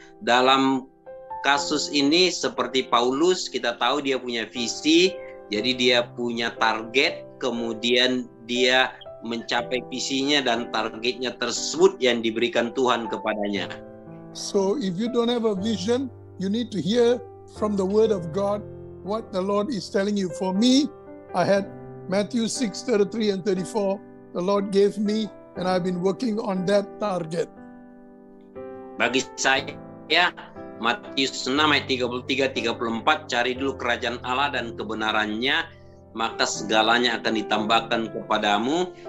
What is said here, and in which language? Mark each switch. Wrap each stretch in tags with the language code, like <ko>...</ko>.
<id>Dalam kasus ini seperti Paulus, kita tahu dia punya visi, jadi dia punya target, kemudian dia mencapai visinya dan targetnya tersebut yang diberikan Tuhan kepadanya.</id> <en>So if you don't have a vision, you need to hear from the word of God what the Lord is telling you. For me, I had Matthew 6:33 and 34. The Lord gave me and I've been working on that target.</en> <id>Bagi saya, Matius 6 ayat 33-34, cari dulu kerajaan Allah dan kebenarannya, maka segalanya akan ditambahkan kepadamu.</id>